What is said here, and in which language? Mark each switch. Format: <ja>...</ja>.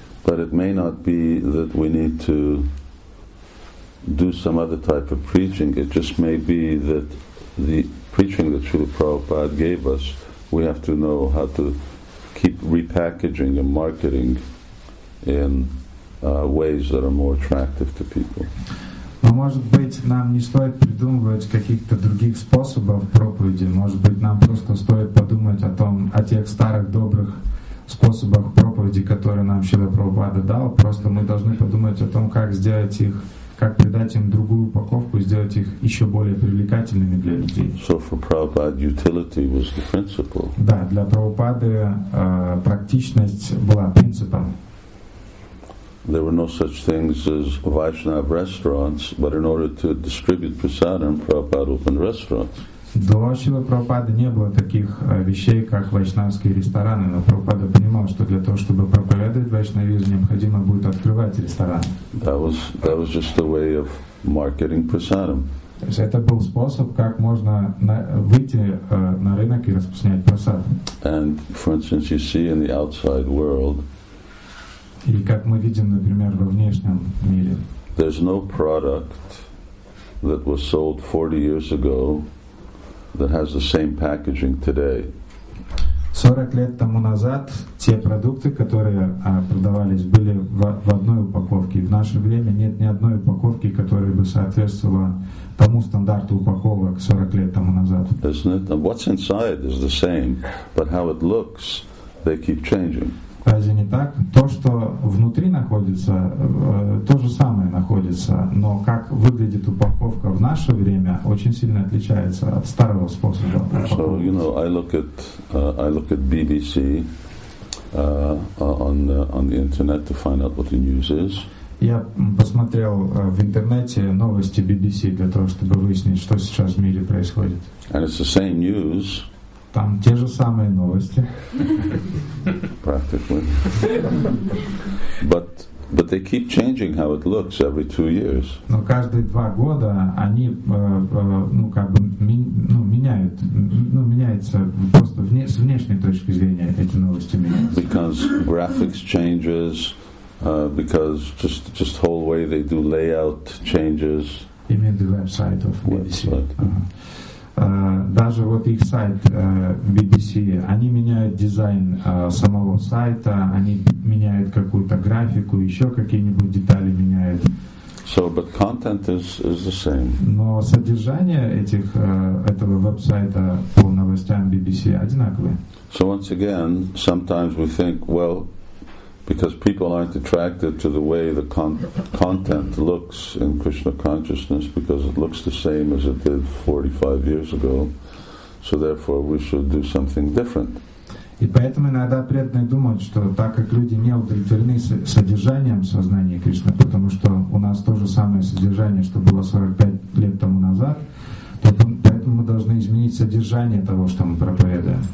<en>But it may not be that we need to do some other type of preaching. It just may be that the preaching that Srila Prabhupada gave us, we have to know how to keep repackaging and marketing in ways that are more attractive to people.</en> <ru>Но, может быть, нам не стоит придумывать каких-то других способов проповеди. Может быть, нам просто стоит подумать о тех старых добрых способах проповеди, которые нам Шрила Прабхупада дал. Просто мы должны подумать о том, как сделать их, как придать им другую упаковку, сделать их еще более привлекательными для людей.</ru> <en>So for Prabhupada, utility was the principle.</en> <ru>Да, для Прабхупады практичность была принципом.</ru> <en>There were no such things as Vaishnava restaurants, but in order to distribute prasadam, Prabhupada opened restaurants.</en> <ru>До Шрилы Прабхупады не было таких вещей, как вайшнавские рестораны, но Прабхупада понимал, что для того, чтобы проповедовать вайшнавизм, необходимо будет открывать ресторан.</ru> <en>That was just a way of marketing prasadam.</en> <ru>То есть это был способ, как можно выйти на рынок и распространять прасад.</ru> <en>And for instance, you see in the outside world,</en> <ru>и как мы видим, например, во внешнем мире.</ru> <en>There's no product that was sold 40 years ago that has the same packaging today.</en> <ru>40 лет тому назад те продукты, которые продавались, были в одной упаковке. В наше время нет ни одной упаковки, которая бы соответствовала тому стандарту упаковок 40 лет тому назад.</ru> <en>Isn't it? What's inside is the same, but how it looks, they keep changing.</en> <ru>Разве не так? То, что внутри находится, то же самое находится, но как выглядит упаковка в наше время, очень сильно отличается от старого способа.</ru> <en>So, you know, I look at BBC on the internet to find out what the news is.</en> <ru>Я посмотрел в интернете новости BBC для того, чтобы выяснить, что сейчас в мире происходит.</ru> <en>And it's the same news.</en> <ru>Там те же самые новости.</ru> <en>Practically. But they keep changing how it looks every 2 years.</en> <ru>Но каждые два года они, ну, как бы, ну, меняют, ну, меняется просто с внешней точки зрения эти новости меняются.</ru> <en>Because graphics changes, because just whole way they do layout changes. You mean the website of BBC?</en> <ru>Даже вот их сайт BBC, они меняют дизайн самого сайта, они меняют какую-то графику, еще какие-нибудь детали меняют.</ru> <en>So, but content is the same.</en> <ru>Но содержание этого веб-сайта по новостям BBC одинаковое.</ru> <en>So once again, sometimes we think, well, because people aren't attracted to the way the content looks in Krishna consciousness, because it looks the same as it did 45 years ago, so therefore we should do something different.</en> <ru>И поэтому иногда преданные думают, что так как люди не удовлетворены содержанием сознания Кришны, потому что у нас то же самое содержание, что было 45 лет тому назад, поэтому мы должны изменить содержание того, что мы проповедуем.</ru>